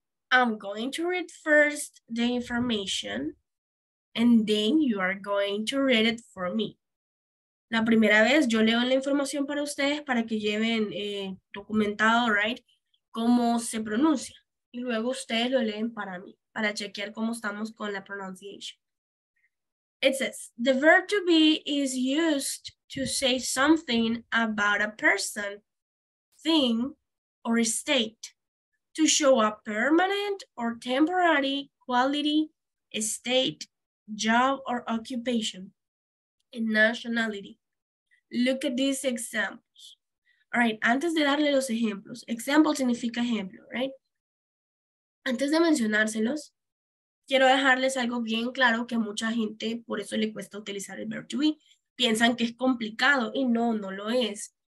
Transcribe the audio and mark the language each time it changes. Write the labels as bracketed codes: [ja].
[en] I'm going to read first the information and then you are going to read it for me. [es] La primera vez yo leo la información para ustedes para que lleven documentado, [en] right, [es] cómo se pronuncia. Y luego ustedes lo leen para mí, para chequear cómo estamos con la pronunciation. [en] It says, the verb to be is used to say something about a person, thing, or state, to show a permanent or temporary quality, state, job, or occupation, and nationality. Look at these examples. All right, [es] antes de darle los ejemplos, example significa ejemplo, [en] right? [es] Antes de mencionárselos, quiero dejarles algo bien claro que a mucha gente, por eso le cuesta utilizar el verb to be, piensan que es complicado, y no, no lo es.